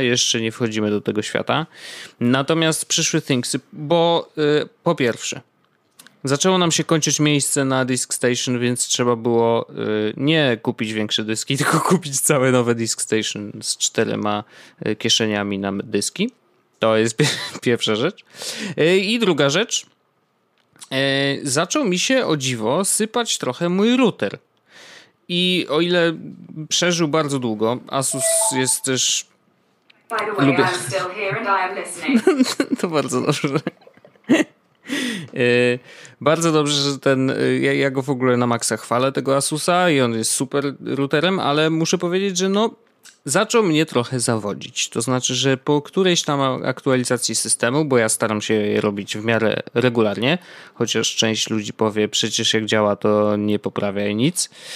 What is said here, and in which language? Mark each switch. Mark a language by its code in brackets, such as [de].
[pl] Jeszcze nie wchodzimy do tego świata. Natomiast przyszły thingsy, bo po pierwsze, zaczęło nam się kończyć miejsce na Disk Station, więc trzeba było nie kupić większe dyski, tylko kupić całe nowe Disk Station z czterema kieszeniami na dyski. To jest pierwsza rzecz. I druga rzecz, zaczął mi się o dziwo sypać trochę mój router. I o ile przeżył bardzo długo, Asus jest też... [en] By the way, I'm still here and I am listening. [pl] To bardzo dobrze. Bardzo dobrze, że ten... Ja go w ogóle na maksa chwalę, tego Asusa, i on jest super routerem, ale muszę powiedzieć, że no zaczął mnie trochę zawodzić. To znaczy, że po którejś tam aktualizacji systemu, bo ja staram się je robić w miarę regularnie, chociaż część ludzi powie, przecież jak działa, to nie poprawia nic.